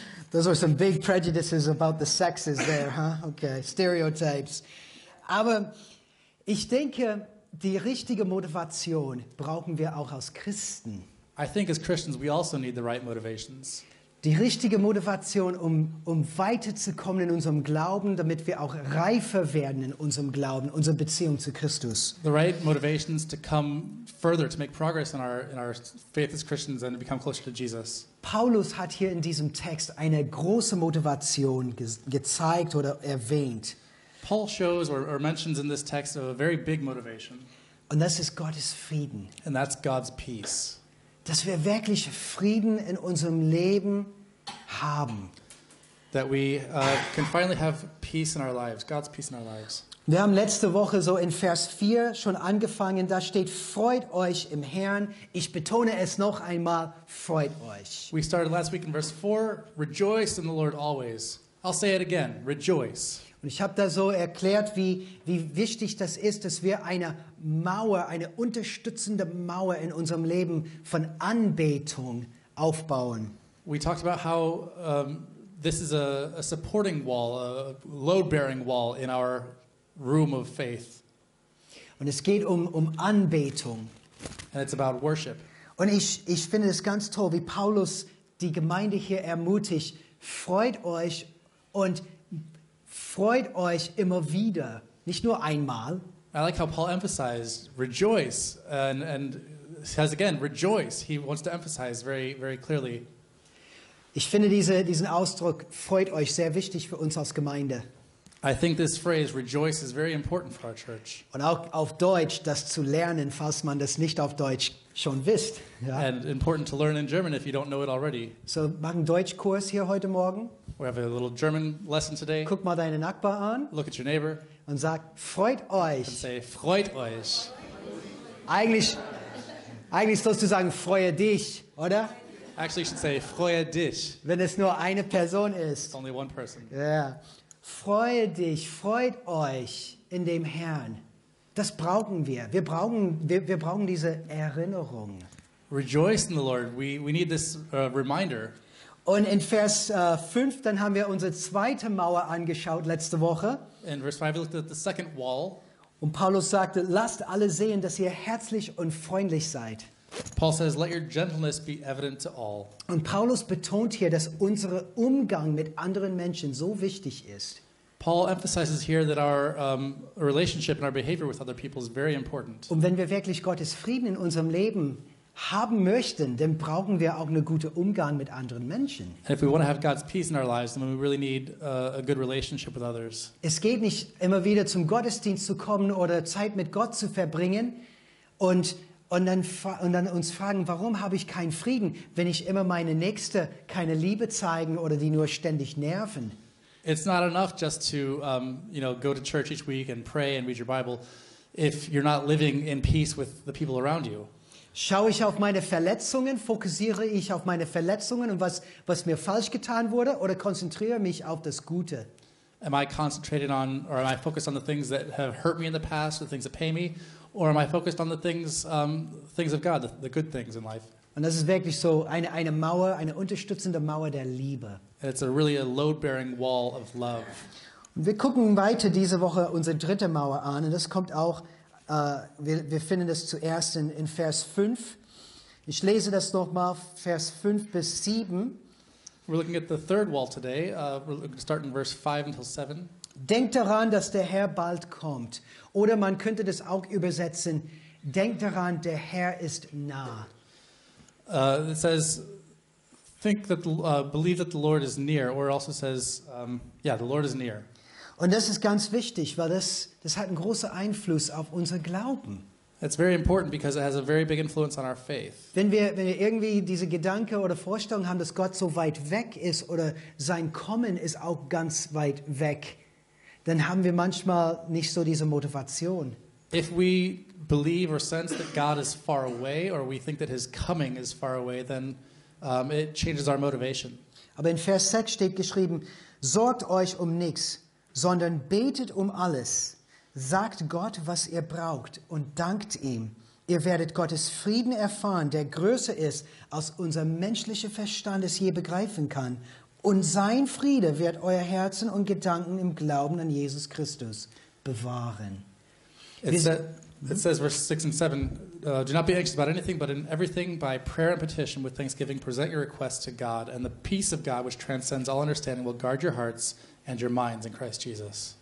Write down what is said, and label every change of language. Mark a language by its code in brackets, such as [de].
[en] Those are some big prejudices about the sexes there, huh? Okay, stereotypes. [de] Aber ich denke, die richtige Motivation brauchen wir auch als Christen. [en] I think as Christians we also need the right motivations. [de] Die richtige Motivation, um weiterzukommen in unserem Glauben, damit wir auch reifer werden in unserem Glauben, unserer Beziehung zu Christus. [en] The right motivations to come further, to make progress in our faith as Christians and to become closer to Jesus. [de] Paulus hat hier in diesem Text eine große Motivation gezeigt oder erwähnt. [en] Paul shows or mentions in this text a very big motivation. [de] Und das ist Gottes Frieden. [en] And that's God's peace. [de] Dass wir wirklich Frieden in unserem Leben haben. [en] That we can finally have peace in our lives, God's peace in our lives. [de] Wir haben letzte Woche so in Vers 4 schon angefangen, da steht, freut euch im Herrn. Ich betone es noch einmal, freut euch. [en] We started last week in verse 4, rejoice in the Lord always. I'll say it again, rejoice. [de] Und ich habe da so erklärt, wie wichtig das ist, dass wir eine Mauer, eine unterstützende Mauer in unserem Leben von Anbetung aufbauen. [en] We talked about how this is a supporting wall, a load-bearing wall in our room of faith. [de] Und es geht um Anbetung. [en] And it's about worship. [de] Und ich finde es ganz toll, wie Paulus die Gemeinde hier ermutigt, freut euch und freut euch immer wieder, nicht nur einmal. [en] I like how Paul emphasized rejoice and says again rejoice. He wants to emphasize very very clearly. [de] Ich finde diesen Ausdruck freut euch sehr wichtig für uns als Gemeinde. [en] I think this phrase rejoice is very important for our church. [de] Und auch auf Deutsch das zu lernen, falls man das nicht auf Deutsch schon wisst. Ja? [en] And important to learn in German if you don't know it already. [de] So machen einen Deutschkurs hier heute Morgen. [en] We have a little German lesson today. [de] Guck mal deinen Nachbar an. [en] Look at your neighbor. [de] Und sag, freut euch. [en] And say, [de] freut euch. Eigentlich sollst du sagen, freue dich, oder? [en] Actually, you should say, [de] freue dich. Wenn es nur eine Person ist. [en] It's only one person. Yeah. [de] Freue dich, freut euch in dem Herrn. Das brauchen wir. Wir brauchen diese Erinnerung. [en] Rejoice in the Lord. We need this reminder. [de] Und in Vers 5, dann haben wir unsere zweite Mauer angeschaut letzte Woche. [en] In Vers 5, we looked at the second wall. [de] Und Paulus sagte, lasst alle sehen, dass ihr herzlich und freundlich seid. [en] Paul says, let your gentleness be evident to all. [de] Und Paulus betont hier, dass unser Umgang mit anderen Menschen so wichtig ist. [en] Paul emphasizes here that our relationship and our behavior with other people is very important. [de] Und wenn wir wirklich Gottes Frieden in unserem Leben haben möchten, dann brauchen wir auch einen guten Umgang mit anderen Menschen. [en] And if we want to have God's peace in our lives, then we really need a good relationship with others. [de] Es geht nicht immer wieder zum Gottesdienst zu kommen oder Zeit mit Gott zu verbringen und dann uns fragen, warum habe ich keinen Frieden, wenn ich immer meine Nächste keine Liebe zeigen oder die nur ständig nerven. [en] It's not enough just to go to church each week and pray and read your Bible if you're not living in peace with the people around you. [de] Schaue ich auf meine Verletzungen, fokussiere ich auf meine Verletzungen und was mir falsch getan wurde oder konzentriere mich auf das Gute? [en] Am I concentrated on or am I focused on the things that have hurt me in the past, the things that pain me, or am I focused on the things things of God, the good things in life? [de] Und das ist wirklich so eine Mauer, eine unterstützende Mauer der Liebe. [en] And it's a really load-bearing wall of love. [de] Und wir gucken weiter diese Woche unsere dritte Mauer an und das kommt auch wir finden das zuerst in Vers 5. Ich lese das nochmal, Vers 5 bis 7. [en] We're looking at the third wall today. We're starting verse 5 until 7. [de] Denkt daran, dass der Herr bald kommt. Oder man könnte das auch übersetzen, denkt daran, der Herr ist nah. [en] It says, believe that the Lord is near. Or it also says, the Lord is near. [de] Und das ist ganz wichtig, weil das hat einen großen Einfluss auf unseren Glauben. [en] It's very important because it has a very big influence on our faith. [de] Wenn wir irgendwie diese Gedanke oder Vorstellung haben, dass Gott so weit weg ist oder sein Kommen ist auch ganz weit weg, dann haben wir manchmal nicht so diese Motivation. [en] If we believe or sense that God is far away or we think that his coming is far away, then it changes our motivation. [de] Aber in Vers 6 steht geschrieben, sorgt euch um nichts, sondern betet um alles. Sagt Gott, was ihr braucht und dankt ihm. Ihr werdet Gottes Frieden erfahren, der größer ist, als unser menschlicher Verstand es je begreifen kann. Und sein Friede wird euer Herzen und Gedanken im Glauben an Jesus Christus bewahren. [en] It says, verse 6 and 7, do not be anxious about anything, but in everything, by prayer and petition, with thanksgiving, present your requests to God, and the peace of God, which transcends all understanding, will guard your hearts and your minds in Christ Jesus.